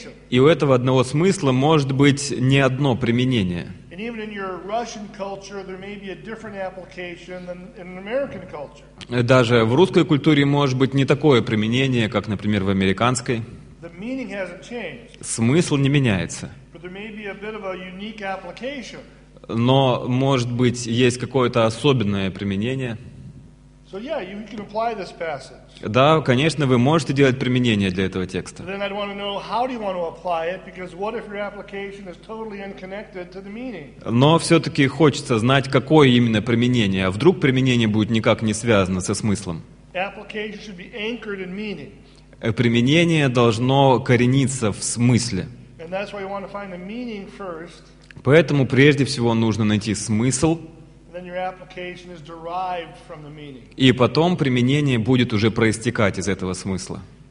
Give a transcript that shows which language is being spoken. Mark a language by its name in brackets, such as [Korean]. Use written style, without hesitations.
[Russian] И у этого одного смысла может быть не одно применение. [English] And even in your Russian culture, there may be a different application than in American culture. [Russian] Даже в русской культуре может быть не такое применение, как, например, в американской. [English] The meaning hasn't changed. [Russian] Смысл не меняется. [English] But there may be a bit of a unique application. [Russian] Но может быть есть какое-то особенное применение. [English] So yeah, you can apply this passage. [Russian] Да, конечно, вы можете делать применение для этого текста. [English] Then I'd want to know how do you want to apply it, because what if your application is totally unconnected to the meaning? [Russian] Но все-таки хочется знать, какое именно применение. А вдруг применение будет никак не связано со смыслом? [English] Application should be anchored in meaning. [Russian] Применение должно корениться в смысле. [English] And that's why you want to find the meaning first. [Russian] Поэтому прежде всего нужно найти смысл. [English] Then your application is derived from the meaning. [Russian] И потом применение будет уже проистекать из этого смысла.